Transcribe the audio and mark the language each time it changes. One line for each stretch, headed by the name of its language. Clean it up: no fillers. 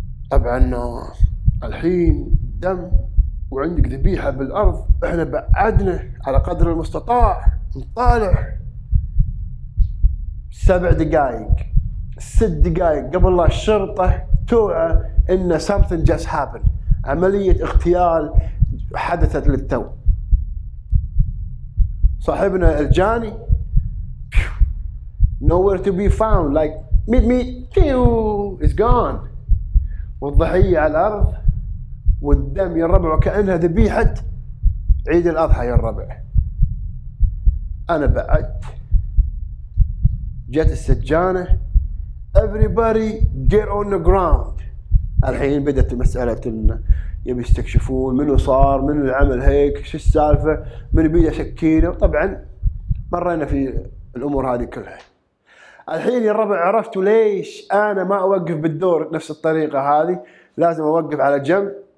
Arabic: طبعا الحين دم وعندك ذبيحة بالأرض، احنا بعدنا على قدر المستطاع نطالع. 7 دقائق 6 دقائق قبل الله الشرطة توعى ان
English: something just happened،
Arabic: عملية اغتيال حدثت للتو. صاحبنا الجاني
English: nowhere to be found, like meet me, pew, it's gone.
Arabic: والضحية على الأرض والدم يا الربع وكأنها ذبيحة عيد الأضحى يا الربع. أنا بعدت جت السجانة
English: everybody get on the ground.
Arabic: الحين بدأت المسألة يبي يستكشفون منو صار منو العمل هيك شو السالفة من بيده سكينة. طبعا مرينا في الأمور هذه كلها. الحين يا الربع عرفتوا ليش أنا ما أوقف بالدور نفس الطريقة هذه، لازم أوقف على جنب.